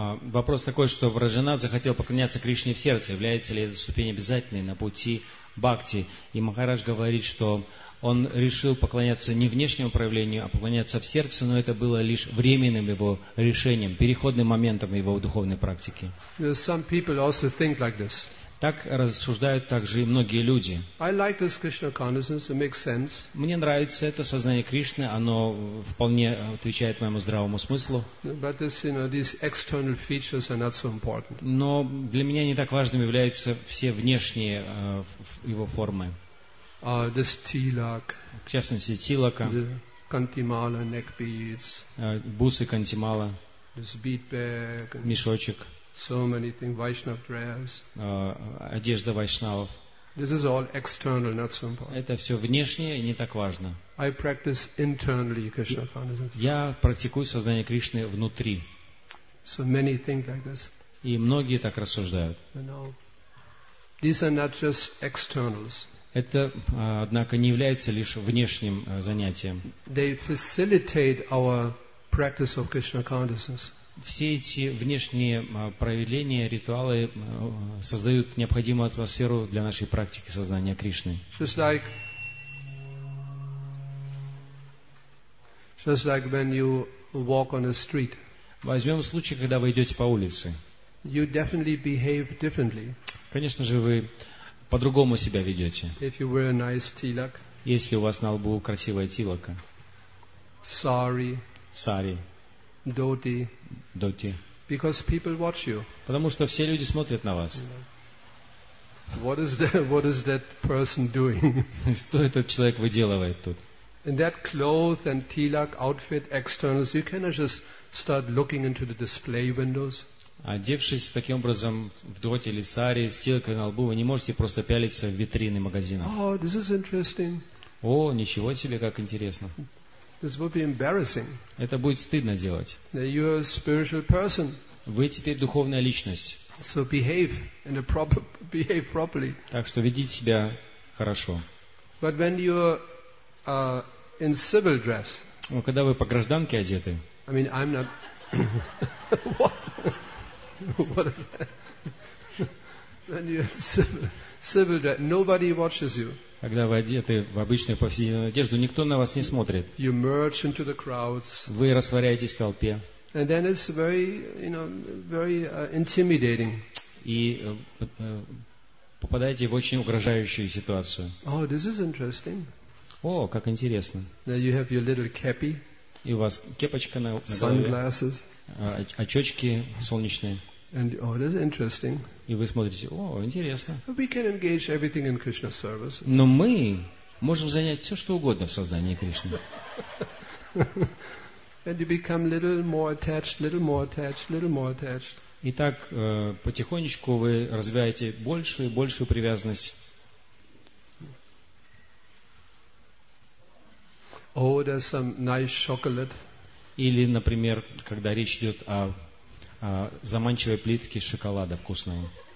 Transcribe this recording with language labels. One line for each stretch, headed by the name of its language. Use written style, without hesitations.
Russian: Вопрос такой, что Враджанат захотел поклоняться Кришне в сердце. Является ли эта ступень обязательной на пути бхакти? И Махарадж говорит, что он решил поклоняться не внешнему проявлению, а поклоняться в сердце, но это было лишь временным его решением, переходным моментом его духовной практики.
English: Some people also think like this.
Russian: Так рассуждают также и многие люди.
English: I like this Krishna consciousness, it makes sense.
Russian: Мне нравится это сознание Кришны, оно вполне отвечает моему здравому смыслу.
English: But this, you know, these external features are not so important.
Russian: Но для меня не так важными являются все внешние его формы.
English: This tilak,
Russian: в частности, тилака,
English: the кантимала, neck beads,
Russian: бусы кантимала,
English: this bead bag,
Russian: мешочек.
English: So many things, Vaishnav dress.
Russian: Одежда вайшнавов.
English: This is all external, not so important.
Russian: Это все внешнее и не так важно.
English: I practice internally Krishna consciousness.
Russian: Я практикую сознание Кришны внутри.
English: So many things like this.
Russian: И многие так рассуждают.
English: You know, these are not just externals.
Russian: Это, однако, не является лишь внешним занятием.
English: They facilitate our practice of Krishna consciousness.
Russian: Все эти внешние проявления, ритуалы создают необходимую атмосферу для нашей практики сознания Кришны.
English: Just like when you walk on a street.
Russian: Возьмем случай, когда вы идете по улице.
English: You definitely behave differently.
Russian: Конечно же, вы по-другому себя ведете.
English: If you wear a nice tilak.
Russian: Если у вас на лбу красивая тилака.
English: Sari. Sari. Dhoti. Dhoti. Because people watch you.
Russian: Потому что все люди смотрят на вас.
English: What is that person doing?
Russian: Что этот человек выделывает тут?
English: In that cloth and tilak outfit, externals, you cannot just start looking into the display windows.
Russian: Одевшись таким образом в доти или сари с тилакой на лбу, вы не можете просто пялиться в витрины магазинов.
English: Oh, this is interesting.
Russian: О, ничего себе, как интересно.
English: This would be embarrassing.
Russian: Это будет стыдно делать.
English: You are a spiritual person.
Russian: Вы теперь духовная личность.
English: So behave in a proper, behave properly.
Russian: Так что ведите себя хорошо.
English: But when you are in civil dress.
Russian: Но когда вы по гражданке одеты.
English: I mean, I'm not. What? What is that? When you are civil dress, nobody watches you.
Russian: Когда вы одеты в обычную повседневную одежду, никто на вас не смотрит.
English: You merge into the crowds.
Russian: Вы растворяетесь в толпе.
English: And then it's very, you know, very intimidating.
Russian: И попадаете в очень угрожающую ситуацию.
English: Oh, this is interesting.
Russian: О, как интересно.
English: Now you have your little cappy.
Russian: И у вас кепочка на голове.
English: Sunglasses.
Russian: Очечки солнечные.
English: And oh, that's interesting.
Russian: И вы смотрите, о, интересно.
English: We can engage everything in Krishna service.
Russian: Но мы можем занять все, что угодно в сознании Кришны.
English: And you become little more attached, little more attached, little more attached.
Russian: И так потихонечку вы развиваете большую и большую привязанность.
English: Oh, there's some nice chocolate.
Russian: Или, например, когда речь идет о заманчивой плитки шоколада вкусного.